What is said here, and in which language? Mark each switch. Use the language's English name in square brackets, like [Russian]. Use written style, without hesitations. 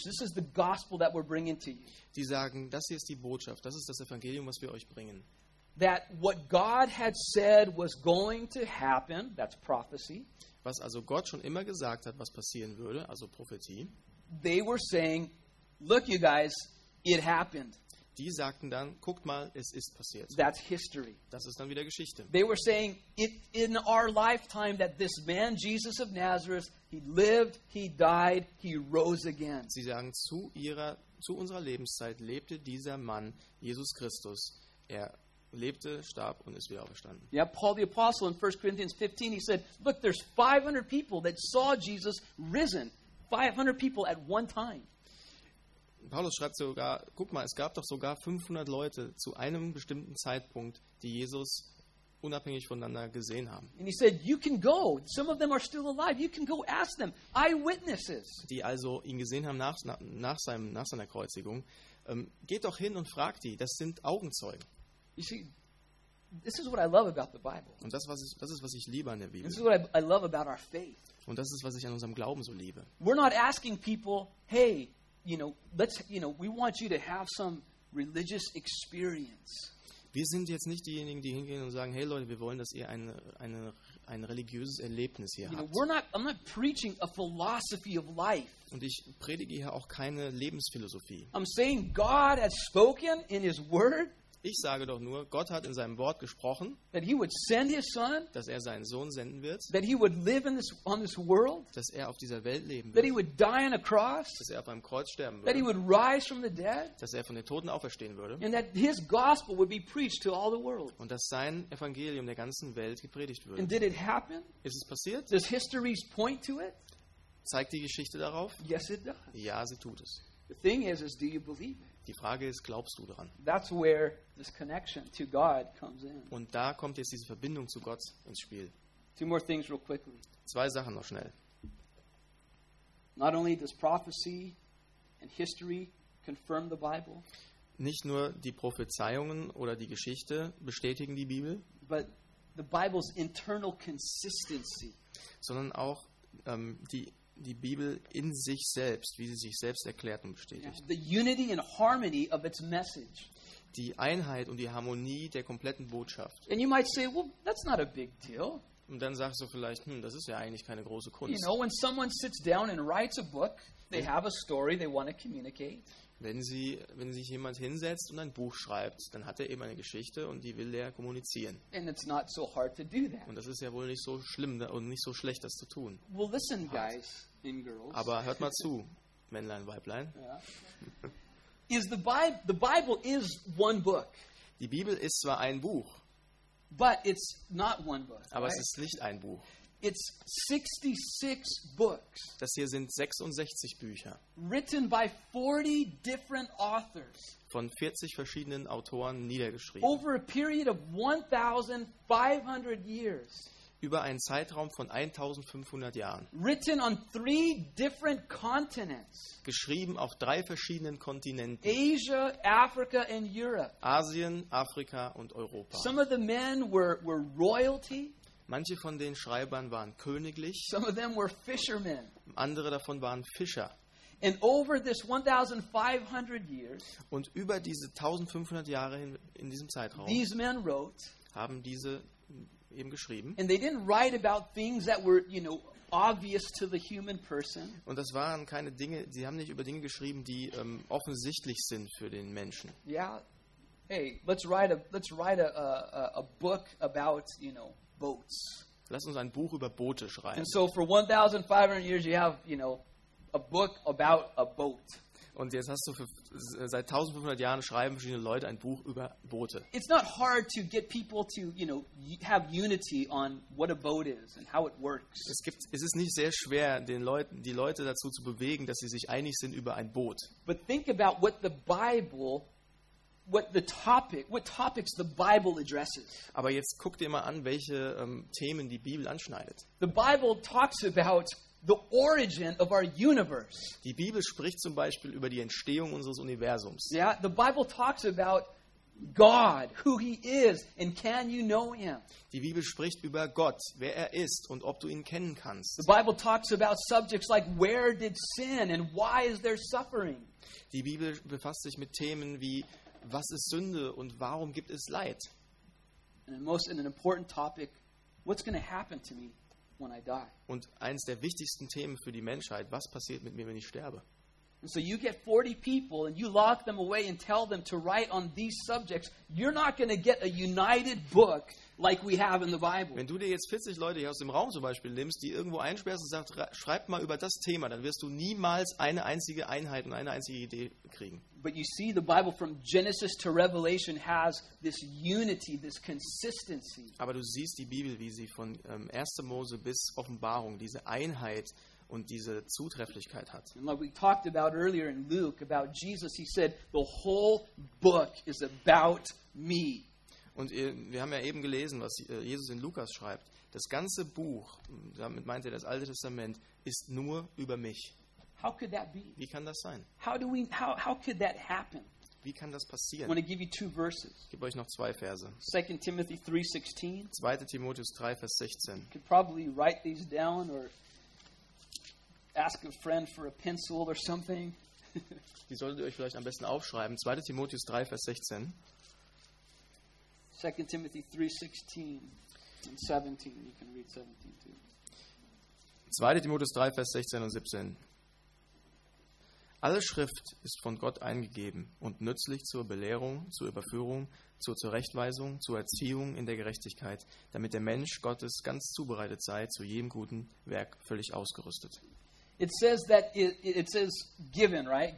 [English] This is the gospel that we're bringing to you. [German] Die sagen, das hier ist die Botschaft. Das ist das Evangelium, was wir euch bringen. [English] That what God had said was going to happen, that's prophecy. [German] Was also Gott schon immer gesagt hat, was passieren würde, also Prophetie. [English] They were saying, look you guys, it happened. [German] Die sagten dann, guckt mal, es ist passiert. [English] That's history. [German] Das ist dann wieder Geschichte. [English] They were saying, it in our lifetime that this man Jesus of Nazareth, he lived, he died, he rose again. [German] Sie sagen, zu unserer Lebenszeit lebte dieser Mann, Jesus Christus, er lebte, starb und ist wieder auferstanden. [English] Yeah, Paul the Apostle in 1 Corinthians 15, he said, look, there's 500 people that saw Jesus risen. 500 people at one time. [German] Paulus schreibt sogar, guck mal, es gab doch sogar 500 Leute zu einem bestimmten Zeitpunkt, die Jesus unabhängig voneinander gesehen haben. [English] And he said, you can go. Some of them are still alive. You can go ask them. Eyewitnesses. [German] Die also ihn gesehen haben nach seiner Kreuzigung. Geht doch hin und fragt die. Das sind Augenzeugen. [English] You see, this is what I love about the Bible. [German] Und das ist, was ich liebe an der Bibel. [English] This is what I love about our faith. [German] Und das ist, was ich an unserem Glauben so liebe. [English] We're not asking people, hey, you know, let's, you know, we want you to have some religious experience. [German] Wir sind jetzt nicht diejenigen, die hingehen und sagen, hey Leute, wir wollen, dass ihr ein religiöses Erlebnis hier habt. [English] I'm not preaching a philosophy of life. [German] Und ich predige hier auch keine Lebensphilosophie. [English] I'm saying God has spoken in his word. [German] Ich sage doch nur, Gott hat in seinem Wort gesprochen, [English] that he would send his son, [German] dass er seinen Sohn senden wird, [English] that he would live in this, on this world, [German] dass er auf dieser Welt leben wird, [English] that he would die on a cross, [German] dass er auf einem Kreuz sterben [English] that [German] würde, [English] he would rise from the dead, [German] dass er von den Toten auferstehen würde, [English] and that his gospel would be preached to all the world. [German] Und dass sein Evangelium der ganzen Welt gepredigt würde. [English] And did it happen? [German] Ist es passiert? [English] Does history point to it? [German] Zeigt die Geschichte darauf? [English] Yes, it does. [German] Ja, sie tut es. [English] The thing is, do you believe it? [German] Die Frage ist, glaubst du daran? [English] That's where this connection to God comes in. [German] Und da kommt jetzt diese Verbindung zu Gott ins Spiel. [English] Two more things real quickly. [German] Zwei Sachen noch schnell. [English] Not only does prophecy and history confirm the Bible, [German] nicht nur die Prophezeiungen oder die Geschichte bestätigen die Bibel, [English] but the Bible's internal consistency. [German] Sondern auch die Bibel in sich selbst, wie sie sich selbst erklärt und bestätigt. [English] The unity and harmony of its message. [German] Die Einheit und die Harmonie der kompletten Botschaft. [English] And you might say, well, that's not a big deal. [German] Und dann sagst du vielleicht, das ist ja eigentlich keine große Kunst. [English] You know, when someone sits down and writes a book, they have a story they want to communicate. [German] Wenn sich jemand hinsetzt und ein Buch schreibt, dann hat er eben eine Geschichte und die will er kommunizieren. [English] And it's not so hard to do that. [German] Und das ist ja wohl nicht so schlimm und nicht so schlecht, das zu tun. [English] Well, listen, guys and girls. [German] Aber hört mal zu, Männlein, Weiblein. [English] Yeah. The Bible is one book. [German] Die Bibel ist zwar ein Buch, [English] but it's not one book, [German] aber [English] right? [German] Es ist nicht ein Buch. [English] It's 66 books. [German] Das hier sind 66 Bücher. [English] Written by 40 different authors. [German] Von 40 verschiedenen Autoren niedergeschrieben. [English] Over a period of 1500 years. [German] Über einen Zeitraum von 1500 Jahren. [English] Written on 3 different continents. [German] Geschrieben auf 3 verschiedenen Kontinenten. [English] Asia, Africa and Europe. [German] Asien, Afrika und Europa. [English] Some of the men were royalty. [German] Manche von den Schreibern waren königlich. [English] Some of them were fishermen. [German] Andere davon waren Fischer. [English] And over this 1500 years, [German] und über diese 1500 Jahre in diesem Zeitraum, [English] these men wrote, [German] haben diese eben geschrieben. [English] And they didn't write about things that were, you know, obvious to the human person. [German] Und das waren keine Dinge, sie haben nicht über Dinge geschrieben, die offensichtlich sind für den Menschen. [English] Yeah. Hey, let's write a book about, you know, boats. [German] Lass uns ein Buch über Boote schreiben. [English] And so for 1500 years you have, you know, a book about a boat. [German] Und jetzt hast du seit 1500 Jahren schreiben verschiedene Leute ein Buch über Boote. [English] It's not hard to get people to, you know, have unity on what a boat is and how it works. [German] Es ist nicht sehr schwer, die Leute dazu zu bewegen, dass sie sich einig sind über ein Boot. [English] But think about what the Bible, what topics the Bible addresses. [German] Aber jetzt guck dir mal an, welche Themen die Bibel anschneidet. [English] The Bible talks about the origin of our universe. [German] Die Bibel spricht zum Beispiel über die Entstehung unseres Universums. [English] Yeah, the Bible talks about God, who he is, and can you know him? [German] Die Bibel spricht über Gott, wer er ist und ob du ihn kennen kannst. [English] The Bible talks about subjects like where did sin and why is there suffering? [German] Die Bibel befasst sich mit Themen wie was ist Sünde und warum gibt es Leid? [English] And most in an important topic, what's going to happen to me when I die? [German] Und eins der wichtigsten Themen für die Menschheit, was passiert mit mir, wenn ich sterbe? [English] And so you get 40 people and you lock them away and tell them to write on these subjects. You're not going to get a united book like we have in the Bible. [German] Wenn du dir jetzt 40 Leute hier aus dem Raum zum Beispiel nimmst, die irgendwo einsperrst und sagst, schreib mal über das Thema, dann wirst du niemals eine einzige Einheit und eine einzige Idee kriegen. [English] But you see, the Bible from Genesis to Revelation has this unity, this consistency. [German] Aber du siehst die Bibel, wie sie von 1. Mose bis Offenbarung diese Einheit und diese Zutrefflichkeit hat. [English] And like we talked about earlier in Luke about Jesus, he said the whole book is about me. [German] Und wir haben ja eben gelesen, was Jesus in Lukas schreibt. Das ganze Buch, damit meint er das Alte Testament, ist nur über mich. [English] How could that be? [German] Wie kann das sein? [English] How could that happen? [German] Wie kann das passieren? [English] I want to give you two verses. [German] Ich gebe euch noch zwei Verse. [English] 2 Timothy 3:16. [German] 2. Timotheus 3, Vers 16. [English] You could probably write these down or ask a friend for a pencil or something. [German] Die solltet ihr euch vielleicht am besten aufschreiben. 2. Timotheus 3, Vers 16. [English] 2 Timothy 3:16 and 17. You can read 17 too. [German] 2. Timotheus 3, Vers 16 und 17. Alle Schrift ist von Gott eingegeben und nützlich zur Belehrung, zur Überführung, zur Zurechtweisung, zur Erziehung in der Gerechtigkeit, damit der Mensch Gottes ganz zubereitet sei, zu jedem guten Werk völlig ausgerüstet. [English] It says that it says given, right?